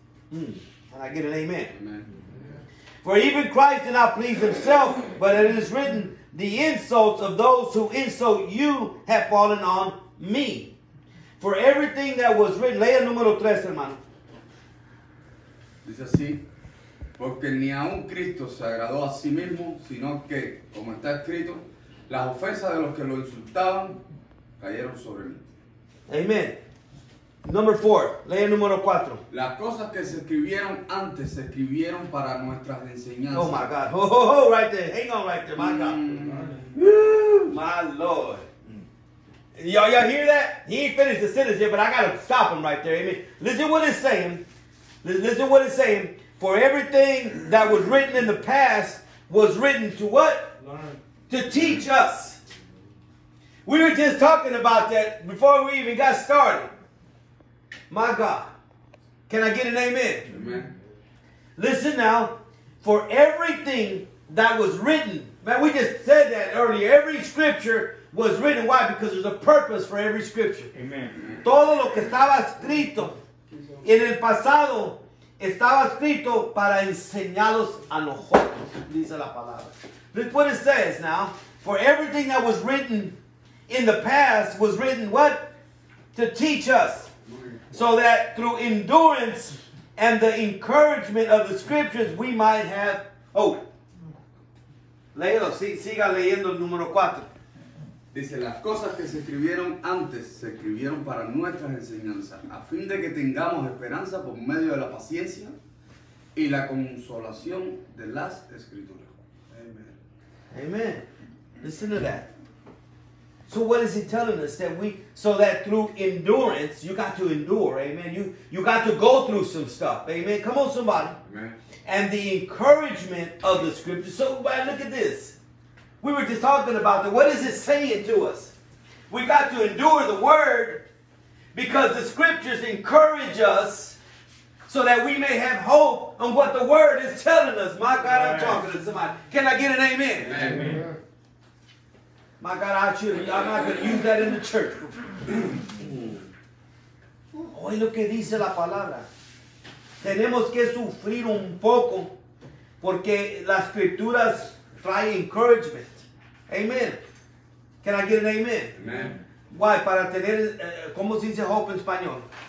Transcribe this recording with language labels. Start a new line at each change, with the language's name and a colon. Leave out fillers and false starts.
English: Can I get an amen? Amen. For even Christ did not please himself, but it is written, the insults of those who insult you have fallen on me. For everything that was written,
Spanish: lea número tres, hermano. Dice así, porque ni aun Cristo se agradó a sí mismo, sino que, como está escrito, las ofensas de los que lo insultaban cayeron sobre mí.
English: Amen. Number four.
Spanish: Lea número cuatro. Las cosas que se escribieron antes se escribieron para nuestras enseñanzas.
English: Oh, my God. Oh, right there. Hang on right there, my God. My Lord. Y'all hear that? He ain't finished the sentence yet, but I got to stop him right there. Amen. Listen what it's saying. Listen what it's saying. For everything that was written in the past was written to what? Learn. To teach us. We were just talking about that before we even got started. My God, can I get an amen? Amen. Listen now, for everything that was written, man, we just said that earlier, every scripture was written. Why? Because there's a purpose for every scripture. Amen.
Spanish: Todo lo que estaba escrito en el pasado estaba escrito para enseñarlos a nosotros, dice la palabra.
English: Look what it says now, for everything that was written in the past was written, what? To teach us. So that through endurance and the encouragement of the scriptures, we might have hope.
Spanish: Léelo, siga leyendo el número 4. Dice, las cosas que se escribieron antes se escribieron para nuestras enseñanzas, a fin de que tengamos esperanza por medio de la paciencia y la consolación de las escrituras.
English: Amen. Amen. Listen to that. So what is he telling us? That we, so that through endurance, you got to endure, amen? You got to go through some stuff, amen? Come on, somebody. Amen. And the encouragement of the scripture. So man, look at this. We were just talking about that. What is it saying to us? We got to endure the word because the scriptures encourage us so that we may have hope on what the word is telling us. My God, amen. I'm talking to somebody. Can I get an amen? Amen. Amen. My God, I'm not going to use that in the church.
Spanish: Oye lo que dice la palabra. Tenemos que sufrir un poco porque las escrituras traen encouragement.
English: Amen. Can I get an amen? Amen. Why?
Spanish: Para tener, ¿cómo se dice hope en español?